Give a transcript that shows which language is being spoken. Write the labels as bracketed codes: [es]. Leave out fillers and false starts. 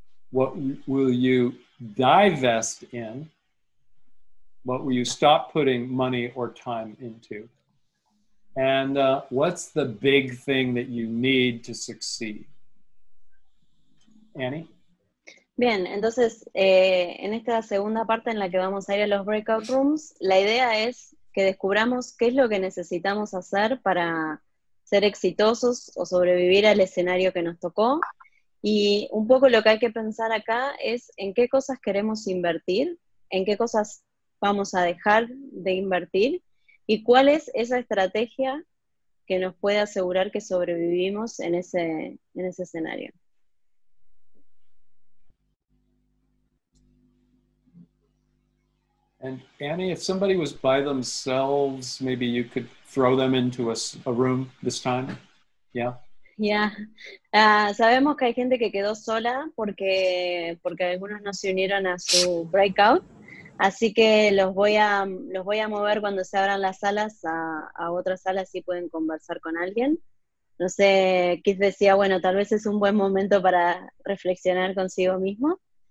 [en] What will you divest in? What will you stop putting money or time into? And what's the big thing that you need to succeed? Annie? [es] Bien, entonces, en esta segunda parte en la que vamos a ir a los breakout rooms, la idea es que descubramos qué es lo que necesitamos hacer para ser exitosos o sobrevivir al escenario que nos tocó. Y un poco lo que hay que pensar acá es en qué cosas queremos invertir, en qué cosas vamos a dejar de invertir, y cuál es esa estrategia que nos puede asegurar que sobrevivimos en ese escenario. [en] And Annie, if somebody was by themselves, maybe you could throw them into a room this time, yeah? [es] Sabemos que hay gente que quedó sola porque algunos no se unieron a su breakout. Así que los voy a mover cuando se abran las salas a otras salas y pueden conversar con alguien. No sé, Keith decía, bueno, tal vez es un buen momento para reflexionar consigo mismo.